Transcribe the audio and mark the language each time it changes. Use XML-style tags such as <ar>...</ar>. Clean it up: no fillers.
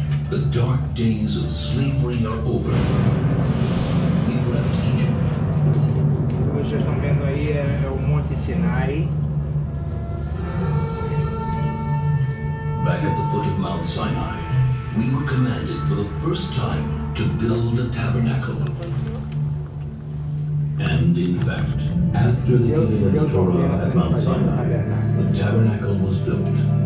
<en>The dark days of slavery are over. We've left Egypt.</en> <pt>Vocês estão vendo aí é o Monte Sinai.</pt> <en>Back at the foot of Mount Sinai, we were commanded for the first time to build a tabernacle. And in fact, after the giving of the Torah at Mount Sinai, the tabernacle was built.</en>